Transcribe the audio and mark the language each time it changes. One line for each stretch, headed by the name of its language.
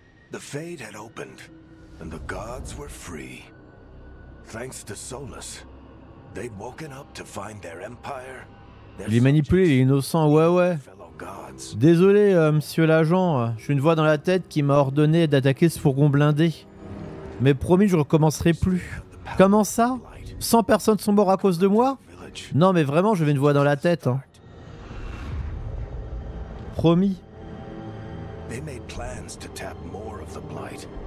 English: The Fade had opened, and the gods were free. Thanks to Solas, they'd woken up to find their empire.
French: Il est manipulé, il est innocent, ouais. Désolé, monsieur l'agent, j'ai une voix dans la tête qui m'a ordonné d'attaquer ce fourgon blindé. Mais promis, je recommencerai plus. Comment ça? 100 personnes sont mortes à cause de moi? Non, mais vraiment, j'avais une voix dans la tête. Hein. Promis.
English: They made plans to tap more of the blight.